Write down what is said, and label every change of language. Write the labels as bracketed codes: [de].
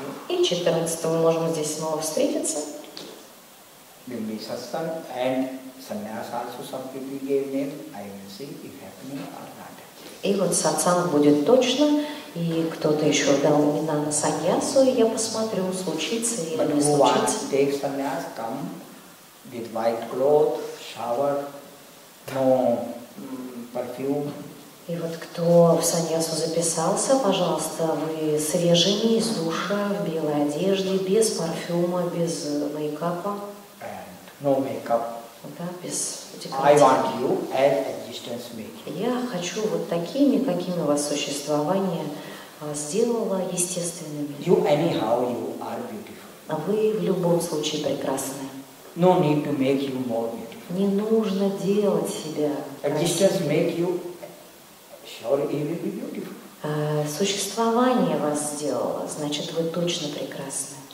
[ru] И 14-го мы можем здесь снова встретиться. [en] will be satsang, and sannyas also some people gave name, I will see if happening or not. [ru] И вот сатсанг будет точно, и кто-то еще дал имена на саньясу, и я посмотрю, случится или не случится. [en] But who wants to take sannyas, come with white cloth, shower, no perfume. [ru] И вот кто в саньясу записался, пожалуйста, вы свежими, из душа, в белой одежде, без парфюма, без мейкапа. [en] And no makeup. [ru] Да, без... [en] I want you as existence making. [ru] Я хочу вот такими, какими у вас существование сделало естественными. [en] You anyhow you are beautiful. [ru] А вы в любом случае прекрасны. [en] No need to make you more beautiful. [ru] Не нужно делать себя. [en] Existence make you sure you will be beautiful. [ru] Существование вас сделало, значит вы точно прекрасны.